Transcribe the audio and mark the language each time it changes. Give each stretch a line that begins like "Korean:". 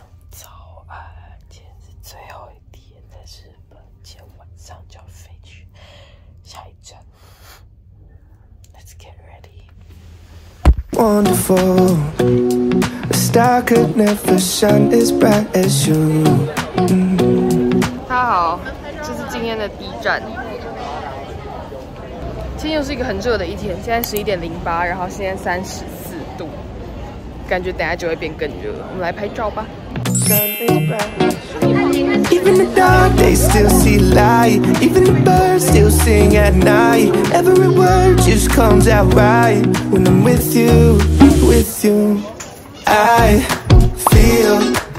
Chinese: 早安，今天是最后一天在日本，今天晚上就要飞去下一站。
English: Let's get ready. Wonderful, a star could never shine as bright as you.
Chinese: 好，这是今天的第一站。今天又是一个很热的一天，现在11:08，然后现在34度，感觉等下就会变更热。我们来拍照吧。
English: Even the dark, they still see light. Even the birds still sing at night. Every word just comes out right when I'm with you, I feel.